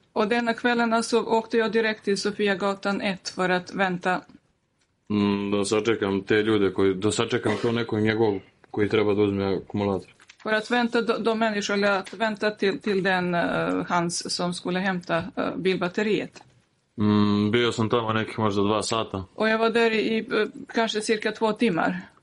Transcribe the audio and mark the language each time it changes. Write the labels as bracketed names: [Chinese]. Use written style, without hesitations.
[Swedish] Och denna kvällen så åkte jag direkt till Sofia gatan 1 för att vänta. [Serbian] Da sačekam te ljude koji, da sačekam to neko njegov koji treba da uzme akumulator. [Swedish] För att vänta de människor, eller att vänta till den hans som skulle hämta bilbatteriet. [Serbian] Bio sam tamo nekih možda 2 sata. [Swedish] Och jag var där i kanske cirka 2 timmar.